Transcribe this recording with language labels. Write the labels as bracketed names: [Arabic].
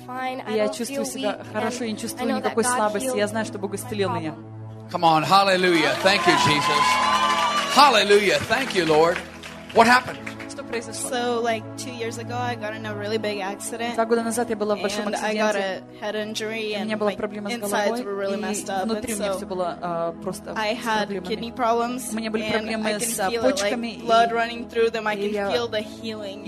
[Russian] И я чувствую себя хорошо, я не чувствую никакой слабости. Я знаю, что Бог исцелил меня. [English] Come on, hallelujah. Thank you, Jesus. Hallelujah. Thank you, Lord. What happened? So like 2 years ago, I got in a really big accident. [Russian] Два года назад я была в большом инциденте. [English] And I got a head injury, and my insides were really messed up. [Russian] Внутри у меня все было просто с проблемами. [English] I had kidney problems. [Russian] У меня были проблемы с почками. [English] Like blood running through them, I can feel the healing.